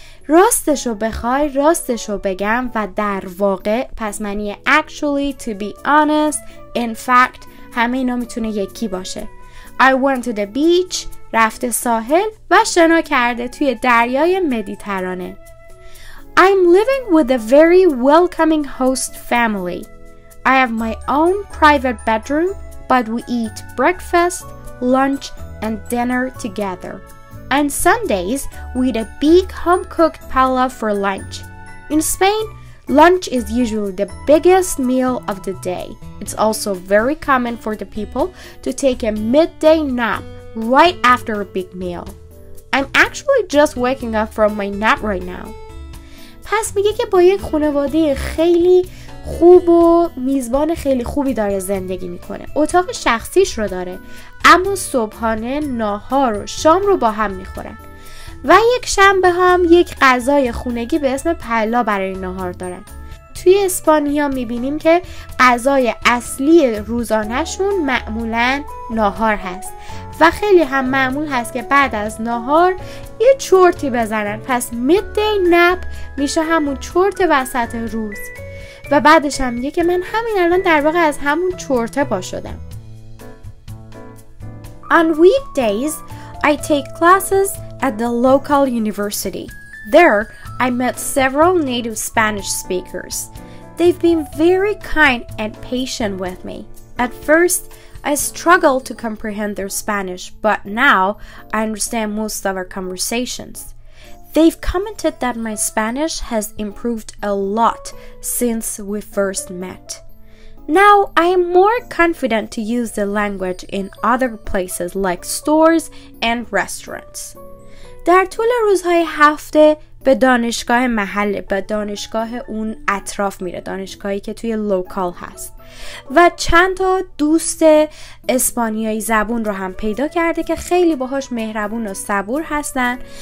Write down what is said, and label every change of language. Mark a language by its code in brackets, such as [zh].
[fa] راستشو بخوای، راستشو بگم، و در واقع، پس معنی actually، [en] to be honest، in fact، [fa] همه اینا میتونه یکی باشه. [en] I went to the beach، [fa] رفته ساحل و شنا کرده توی دریای مدیترانه. [en] I'm living with a very welcoming host family. I have my own private bedroom, but we eat breakfast, lunch and dinner together. And Sundays, we eat a big home-cooked paella for lunch. In Spain, lunch is usually the biggest meal of the day. It's also very common for the people to take a midday nap right after a big meal. I'm actually just waking up from my nap right now. [fa] پس میگه که با یک خانواده خیلی خوب و میزبان خیلی خوبی داره زندگی میکنه. اتاق شخصیش رو داره، اما صبحانه، ناهار و شام رو با هم میخورن و یک شنبه هم یک غذای خونگی به اسم پلا برای ناهار دارن. توی اسپانیا میبینیم که غذای اصلی روزانهشون معمولا ناهار هست و خیلی هم معمول هست که بعد از ناهار یه چورتی بزنن. پس [en] midday nap [fa] میشه همون چورت وسط روز. و بعدش هم میگه که من همین الان در واقع از همون چورته پا شدم. [en] On weekdays, I take classes at the local university. There, I met several native Spanish speakers. They've been very kind and patient with me. At first, I struggled to comprehend their Spanish, but now I understand most of our conversations. They've commented that my Spanish has improved a lot since we first met. Now I am more confident to use the language in other places like stores and restaurants. [fa] در طول روزهای هفته به دانشگاه محل، به دانشگاه اون اطراف میره، دانشگاهی که توی لوکال هست، و چند تا دوست اسپانیایی زبون رو هم پیدا کرده که خیلی باهاش مهربون و صبور هستن.